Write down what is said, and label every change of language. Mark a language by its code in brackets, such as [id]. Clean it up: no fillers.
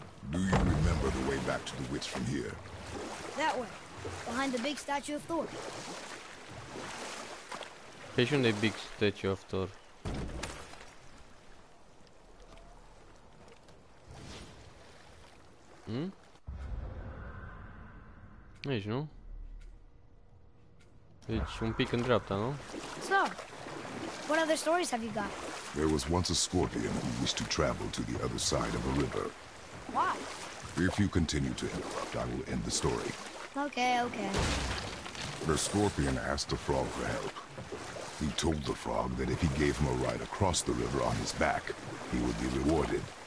[en] Do you remember the way back to the witch from here? That way. Behind the big statue of Thor. [ro] Pe și unde e [en] big statue of Thor? [ro] Aici, nu? Aici, un pic în dreapta, nu? [en] So, what other stories have you got? There was once a scorpion who wished to travel to the other side of a river. Why? If you continue to interrupt, I will end the story. Okay, okay. The scorpion asked the frog for help. He told the frog that if he gave him a ride across the river on his back, he would be rewarded.